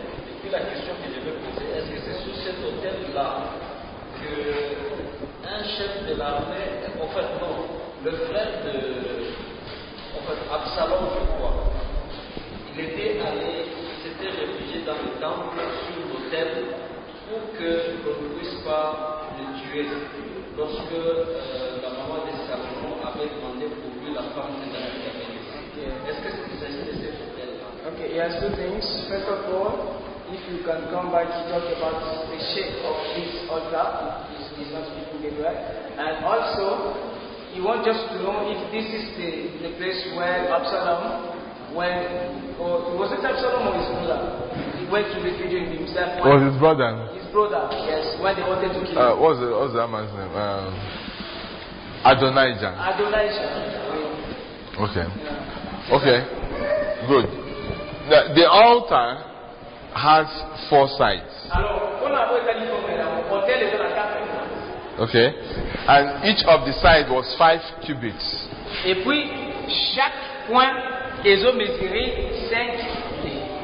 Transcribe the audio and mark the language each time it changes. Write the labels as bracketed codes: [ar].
[fr] Et puis la question que je veux poser, est-ce que c'est sur cet hôtel-là que un chef de l'armée, en fait non, le frère de en fait, Absalom, je crois, il était allé, il s'était réfugié dans le temple sur l'hôtel pour que on ne puisse pas le tuer lorsque la maman de Salomon avait demandé pour lui la femme de la vie. [en] Okay, he has two things. First of all, if you can come back to talk about the shape of this altar, he's not speaking it right. And also, he wants just to know if this is the place where Absalom went, or was it Absalom or his brother? He went to refuge himself. Was his brother? His brother, yes, when they wanted to kill him. What was that man's name? Adonijah. Adonijah. Okay. Yeah. Okay, good. The altar has four sides. Okay, and each of the sides was 5 cubits. [fr] Et puis chaque point qu'ils ont mesuré 5 cubits.